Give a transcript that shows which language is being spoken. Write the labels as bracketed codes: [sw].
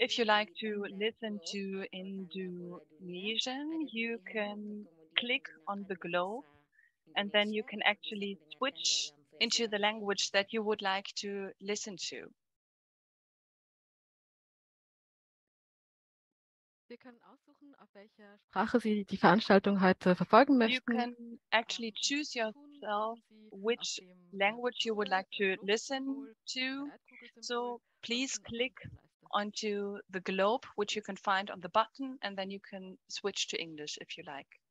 [en] If you like to listen to Indonesian, you can click on the globe and then you can actually switch into the language that you would like to listen to. [de] Sie können aussuchen, auf welcher Sprache Sie die Veranstaltung heute verfolgen möchten. [en] You can actually choose yourself which language you would like to listen to. So please click onto the globe, which you can find on the button, and then you can switch to English if you like.